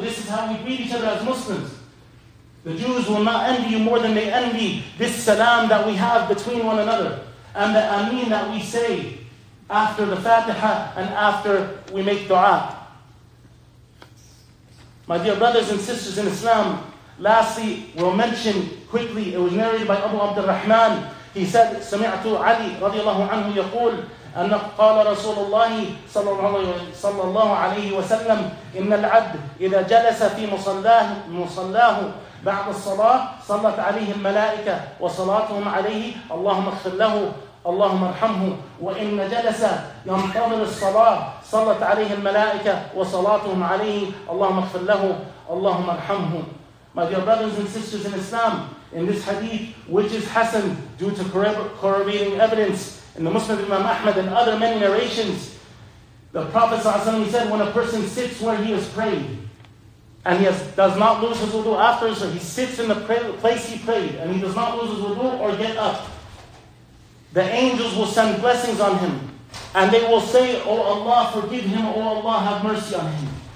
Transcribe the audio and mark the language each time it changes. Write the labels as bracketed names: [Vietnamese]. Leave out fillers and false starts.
[English] This is how we greet each other as Muslims. The Jews will not envy you more than they envy this salam that we have between one another and the ameen that we say after the Fatiha and after we make dua. My dear brothers and sisters in Islam, lastly, we'll mention quickly, it was narrated by Abu Abd al-Rahman. He said, [Arabic] سَمِعْتُ عَلِي رَضِيَ اللَّهُ عَنْهُ يَقُولُ أَنَّ قَالَ رَسُولُ اللَّهِ صَلَّى اللَّهُ عَلَيْهِ وَسَلَّمُ إِنَّ الْعَبْدِ إِذَا جَلَسَ فِي مُصَلَّاهُ بعد الصلاة صلت عليه الملائكة وصلاتهم عليه اللهم اغفر له اللهم ارحمه وإن جلس ينتظر الصلاة صلت عليه الملائكة وصلاتهم عليه اللهم اغفر له اللهم ارحمه. [English] My dear brothers and sisters in Islam, in this hadith, which is Hassan due to corroborating evidence in the Muslim Imam Ahmad and other many narrations, the Prophet ﷺ said, when a person sits where he is praying, and does not lose his wudu after, so he sits in the place he prayed, and he does not lose his wudu or get up, the angels will send blessings on him, and they will say, O Allah, forgive him, O Allah, have mercy on him.